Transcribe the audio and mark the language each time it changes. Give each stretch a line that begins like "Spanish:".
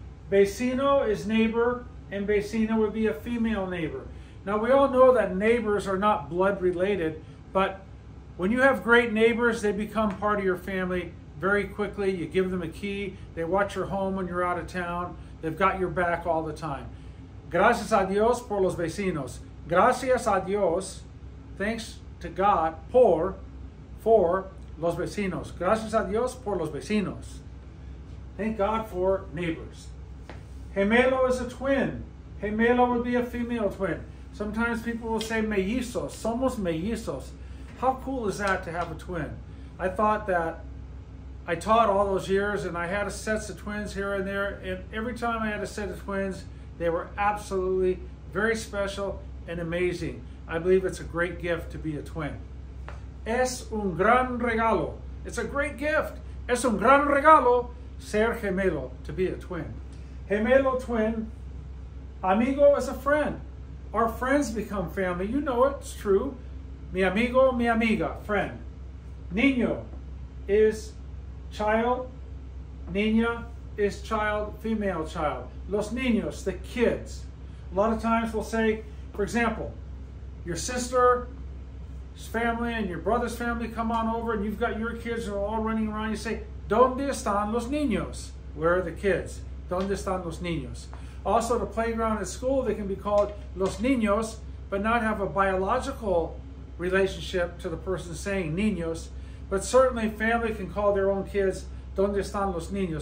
English: Vecino is neighbor, and vecina would be a female neighbor. Now, we all know that neighbors are not blood related, but when you have great neighbors, they become part of your family. Very quickly, you give them a key. They watch your home when you're out of town. They've got your back all the time.
Spanish: Gracias a Dios por los vecinos. Gracias a Dios,
English: thanks to God, for
Spanish: los vecinos. Gracias a Dios por los vecinos.
English: Thank God for neighbors. Gemelo is a twin. Gemelo would be a female twin. Sometimes people will say mellizos.
Spanish: Somos mellizos.
English: How cool is that to have a twin? I thought that I taught all those years and I had a set of twins here and there, and every time I had a set of twins, they were absolutely very special and amazing. I believe it's a great gift to be a twin. Es un gran regalo. It's a great gift. Es un gran regalo ser gemelo, to be a twin. Gemelo, twin. Amigo is a friend. Our friends become family. You know it, it's true. Mi amigo, mi amiga, friend. Niño is child, niña is child, female child. Los niños, the kids. A lot of times we'll say, for example, your sister's family and your brother's family come on over and you've got your kids and they're all running around. You say,
Spanish: ¿dónde están los niños?
English: Where are the kids?
Spanish: ¿Dónde están los niños?
English: Also, the playground at school, they can be called los niños, but not have a biological relationship to the person saying niños. But certainly family can call their own kids,
Spanish: ¿dónde están los niños?